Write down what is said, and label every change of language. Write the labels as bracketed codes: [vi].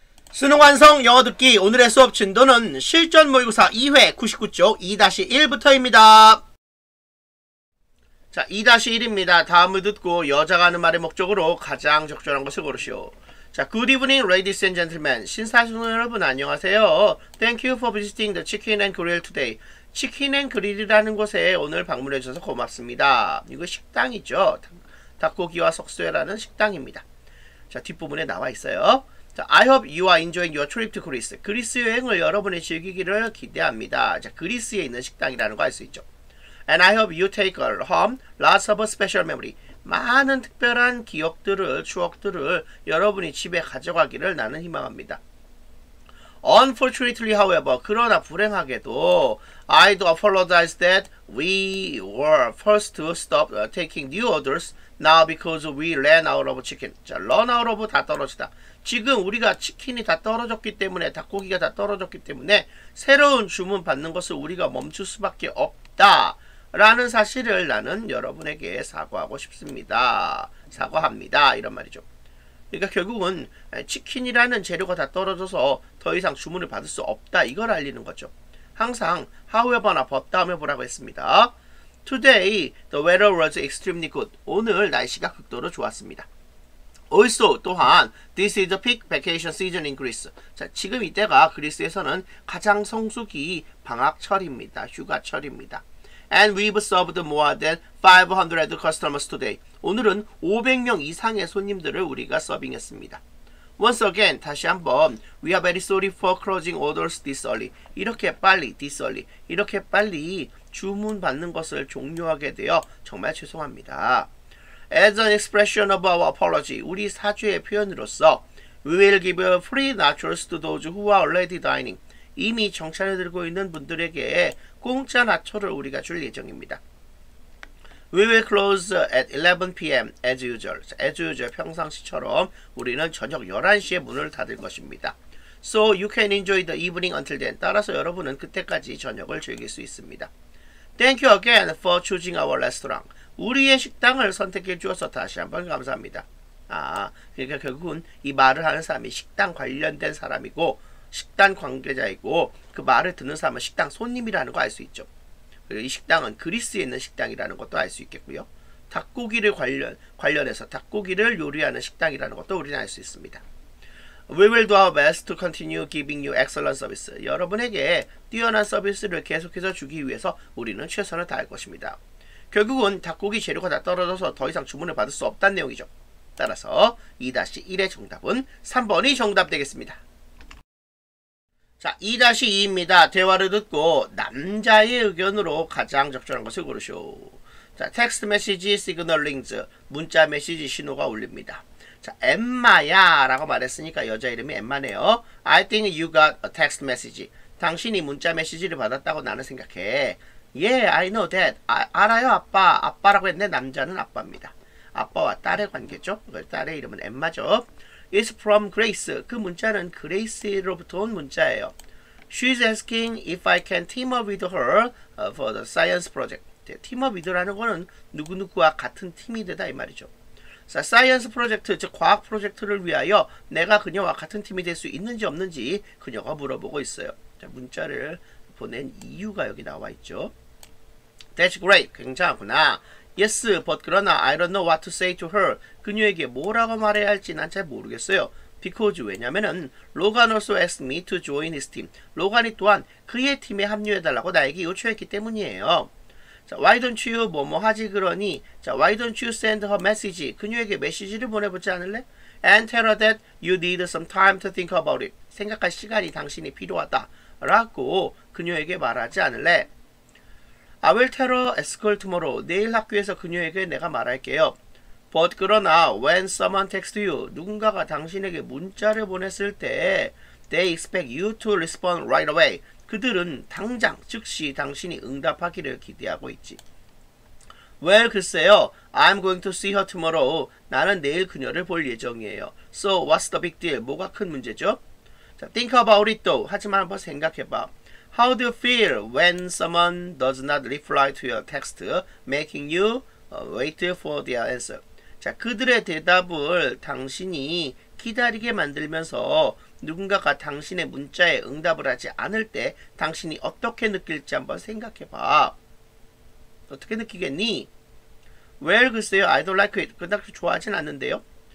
[ko] 수능 완성 영어 듣기 오늘의 수업 진도는 실전 모의고사 2회 99쪽 2-1부터입니다. 자, 2-1입니다. 다음을 듣고 여자가 하는 말의 목적으로 가장 적절한 것을 고르시오. [en] 자, Good evening, ladies and gentlemen. [ko] 신사숙녀 여러분 안녕하세요. [en] Thank you for visiting the Chicken and Grill today. [ko] 치킨 앤 그릴이라는 곳에 오늘 방문해 주셔서 고맙습니다. 이거 식당이죠. 닭고기와 석쇠라는 식당입니다. 자, 뒷부분에 나와 있어요. [en] 자, I hope you are enjoying your trip to Greece. [ko] 그리스 여행을 여러분이 즐기기를 기대합니다. 자, 그리스에 있는 식당이라는 거 알 수 있죠. [en] And I hope you take home lots of special memory. [ko] 많은 특별한 기억들을, 추억들을 여러분이 집에 가져가기를 나는 희망합니다. [en] Unfortunately, however, [ko] 그러나 불행하게도 [en] I do apologize that we were first to stop taking new orders now because we ran out of chicken. [ko] 자, [en] run out of [ko] 다 떨어지다. 지금 우리가 치킨이 다 떨어졌기 때문에, 닭고기가 다 떨어졌기 때문에 새로운 주문 받는 것을 우리가 멈출 수밖에 없다 라는 사실을 나는 여러분에게 사과하고 싶습니다. 사과합니다. 이런 말이죠. 그러니까 결국은 치킨이라는 재료가 다 떨어져서 더 이상 주문을 받을 수 없다, 이걸 알리는 거죠. 항상 however나 but 다음에 보라고 했습니다. [en] Today the weather was extremely good. [ko] 오늘 날씨가 극도로 좋았습니다. [en] Also, [ko] 또한 [en] this is the peak vacation season in Greece. [ko] 자, 지금 이때가 그리스에서는 가장 성수기 방학철입니다. 휴가철입니다. [en] And we've served more than 500 customers today. [ko] 오늘은 500명 이상의 손님들을 우리가 서빙했습니다. [en] Once again, [ko] 다시 한번 [en] we are very sorry for closing orders this early. [ko] 이렇게 빨리, [en] this early, [ko] 이렇게 빨리 주문 받는 것을 종료하게 되어 정말 죄송합니다. [en] As an expression of our apology, [ko] 우리 사죄의 표현으로서 [en] we will give a free nachos to those who are already dining. [ko] 이미 정차를 들고 있는 분들에게 공짜 나초를 우리가 줄 예정입니다. [en] We will close at 11 PM as usual. As usual, [ko] 평상시처럼 우리는 저녁 11시에 문을 닫을 것입니다. [en] So you can enjoy the evening until then. [ko] 따라서 여러분은 그때까지 저녁을 즐길 수 있습니다. [en] Thank you again for choosing our restaurant. [ko] 우리의 식당을 선택해 주어서 다시 한번 감사합니다. 아, 그러니까 결국은 이 말을 하는 사람이 식당 관련된 사람이고 식당 관계자이고 그 말을 듣는 사람은 식당 손님이라는 거 알 수 있죠. 그리고 이 식당은 그리스에 있는 식당이라는 것도 알 수 있겠고요. 닭고기를 관련해서 닭고기를 요리하는 식당이라는 것도 우리는 알 수 있습니다. [en] We will do our best to continue giving you excellent service. [ko] 여러분에게 뛰어난 서비스를 계속해서 주기 위해서 우리는 최선을 다할 것입니다. 결국은 닭고기 재료가 다 떨어져서 더 이상 주문을 받을 수 없다는 내용이죠. 따라서 2-1의 정답은 3번이 정답 되겠습니다. 자, 2-2입니다. 대화를 듣고 남자의 의견으로 가장 적절한 것을 고르쇼. 자, 텍스트 메시지 시그널링즈, 문자 메시지 신호가 울립니다. 자, 엠마야 라고 말했으니까 여자 이름이 엠마네요. [en] I think you got a text message. [ko] 당신이 문자 메시지를 받았다고 나는 생각해. [en] Yeah, I know that. [ko] 알아요, 아빠. 아빠라고 했는데 남자는 아빠입니다. 아빠와 딸의 관계죠. 딸의 이름은 엠마죠. [en] It's from Grace. [ko] 그 문자는 그레이스로부터 온 문자예요. [en] She's asking if I can team up with her for the science project. Team up with [ko] 라는 거는 누구누구와 같은 팀이 되다 이 말이죠. [en] So, science project, [ko] 즉 과학 프로젝트를 위하여 내가 그녀와 같은 팀이 될 수 있는지 없는지 그녀가 물어보고 있어요. 자, 문자를 보낸 이유가 여기 나와 있죠. [en] That's great. [ko] 굉장하구나. [en] Yes, but [ko] 그러나 [en] I don't know what to say to her. [ko] 그녀에게 뭐라고 말해야 할지 난 잘 모르겠어요. [en] Because [ko] 왜냐면은 [en] Logan also asked me to join his team. [ko] 로간이 또한 그의 팀에 합류해달라고 나에게 요청했기 때문이에요. [en] 자, why don't you [ko] 뭐뭐 하지 그러니? [en] 자, why don't you send her message? [ko] 그녀에게 메시지를 보내보지 않을래? [en] And tell her that you need some time to think about it. [ko] 생각할 시간이 당신이 필요하다 라고 그녀에게 말하지 않을래? [en] I will tell her at school tomorrow. [ko] 내일 학교에서 그녀에게 내가 말할게요. [en] But [ko] 그러나 [en] when someone texts you, [ko] 누군가가 당신에게 문자를 보냈을 때 [en] they expect you to respond right away. [ko] 그들은 당장 즉시 당신이 응답하기를 기대하고 있지. [en] Well, [ko] 글쎄요. [en] I'm going to see her tomorrow. [ko] 나는 내일 그녀를 볼 예정이에요. [en] So, what's the big deal? [ko] 뭐가 큰 문제죠? [en] 자, think about it though. [ko] 하지만 한번 생각해봐. [en] How do you feel when someone does not reply to your text, making you wait for their answer? [ko] 자, 그들의 대답을 당신이 기다리게 만들면서 누군가가 당신의 문자에 응답을 하지 않을 때 당신이 어떻게 느낄지 한번 생각해봐. 어떻게 느끼겠니? [en] Well, [ko] 글쎄요. [en] I don't like it. [ko] 그닥 좋아하진 않는데요.